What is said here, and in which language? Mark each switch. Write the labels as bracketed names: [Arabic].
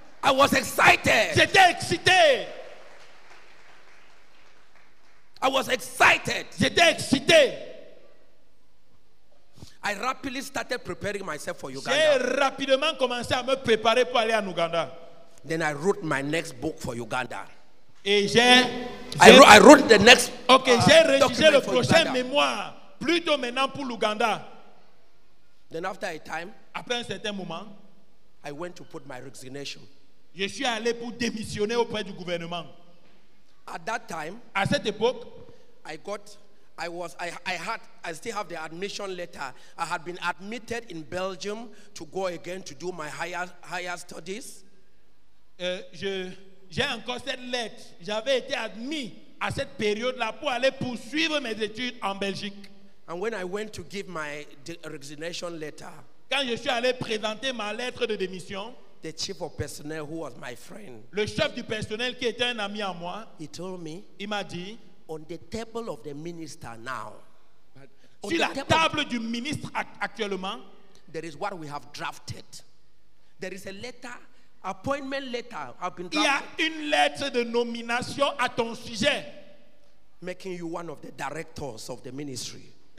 [English] I was excited. [French] J'étais excité. [English] I was excited. [French] J'étais excité. [English] I rapidly started preparing myself for Uganda. [French] J'ai rapidement commencé à me préparer pour aller en Uganda. [English] Then I wrote my next book for Uganda. [French] Et [English] I wrote the next. [French] Okay, j'ai rédigé le prochain mémoire plutôt maintenant pour l'Ouganda. [English] Then after a time, [French] après un certain moment, [English] I went to put my resignation. [French] Je suis allé pour démissionner auprès du gouvernement. [English] At that time, [French] à cette époque, [English] I still have the admission letter. I had been admitted in Belgium to go again to do my higher studies. [French] J'ai encore cette lettre. J'avais été admis à cette période-là pour aller poursuivre mes études en Belgique. [English] And when I went to give my resignation letter, [French] quand je suis allé présenter ma lettre de démission, [English] the chief of personnel who was my friend, [French] le chef du personnel qui était un ami à moi, [English] he told me, [French] il m'a dit, [English] on the table of the minister now, [French] sur la table du ministre actuellement, [English] there is what we have drafted. There is a letter, appointment letter, have been drafted. [French] Il y a une lettre de nomination à ton sujet, [English] making you one of the directors of the ministry.